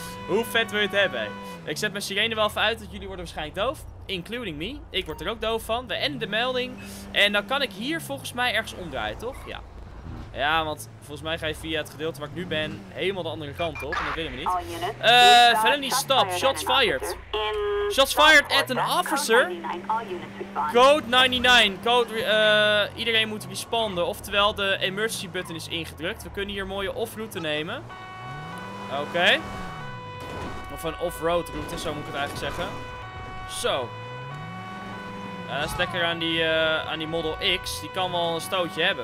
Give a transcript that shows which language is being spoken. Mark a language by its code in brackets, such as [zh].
[nl] Hoe vet wil je het hebben? Ik zet mijn sirene wel even uit, want jullie worden waarschijnlijk doof. [en] Including me. [nl] Ik word er ook doof van. We enden de melding. En dan kan ik hier volgens mij ergens omdraaien, toch? Ja. Ja, want volgens mij ga je via het gedeelte waar ik nu ben helemaal de andere kant op. En dat willen we niet. [en] Felony stop. Shots fired. Shots fired at an officer. Code 99. [nl] Code, iedereen moet responden. Oftewel, de emergency button is ingedrukt. We kunnen hier een mooie off-route nemen. Oké. Of een off-road route, zo moet ik het eigenlijk zeggen. Zo. Dat is lekker aan die Model X. Die kan wel een stootje hebben.